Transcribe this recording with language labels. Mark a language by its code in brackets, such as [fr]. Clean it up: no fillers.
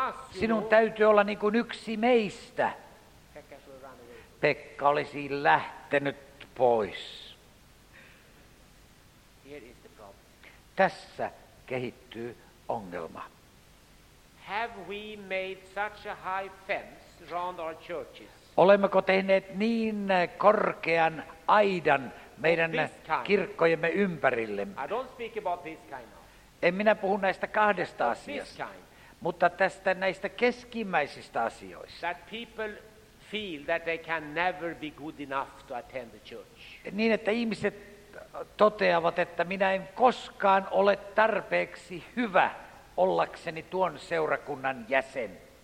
[fi] Sinun täytyy olla niin kuin yksi meistä. Pekka olisi lähtenyt pois. Tässä kehittyy ongelma. [en] Have we made such a high fence around our churches? [fi] Olemmeko tehneet niin korkean aidan meidän kirkkojemme ympärille? [en] I don't speak about this kind of. [fi] En minä puhu näistä kahdesta asiasta, mutta tästä näistä keskimmäisistä asioista. [en] That people feel that they can never be good enough to attend the church. [fi] Niin, että ihmiset toteavat, että minä en koskaan ole tarpeeksi hyvä ollakseni tuon seurakunnan jäsen.